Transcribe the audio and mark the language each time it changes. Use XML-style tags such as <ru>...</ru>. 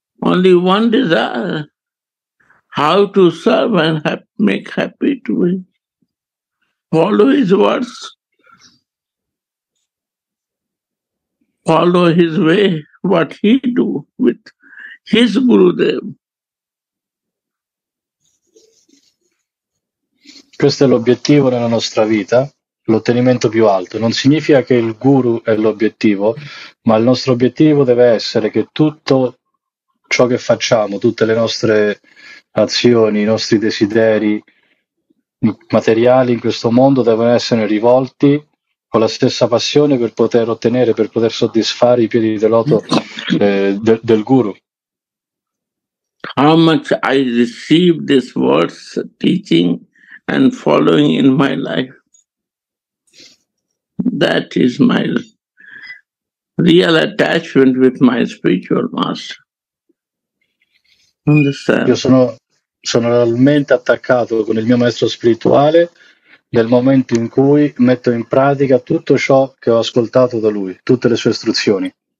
<en>Only one desire, how to serve and make happy to him. Follow his words. Follow his way, what he do with his Gurudev.</en> <it>Questo è l'obiettivo nella nostra vita, l'ottenimento più alto. Non significa che il guru è l'obiettivo, ma il nostro obiettivo deve essere che tutto ciò che facciamo, tutte le nostre azioni, i nostri desideri materiali in questo mondo devono essere rivolti con la stessa passione per poter ottenere, per poter soddisfare i piedi del loto del guru.</it> <en>How much I receive this words teaching and following in my life. That is my real attachment with my spiritual master. Understand?</en> <it>Io sono realmente attaccato con il mio maestro spirituale nel momento in cui metto in pratica tutto ciò che ho ascoltato da lui, tutte le sue istruzioni.</it>